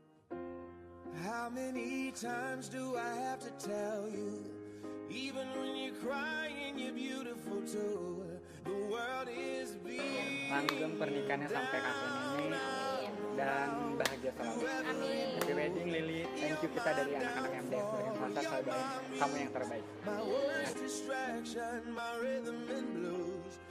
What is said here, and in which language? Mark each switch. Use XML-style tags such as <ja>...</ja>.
<en>Oh. How many times do I have to tell you? Even when you're crying, you're beautiful too. The world is beating.</en> <id>Langgeng pernikahannya sampai kapan ini? Dan bahagia selalu. Amin.</id> <en>Happy wedding, Lily. Thank you</en> <id>kita dari anak-anak yang MDF. Santa Saba, kamu yang terbaik.</id> <en>My worst distraction, my rhythm and blues.</en>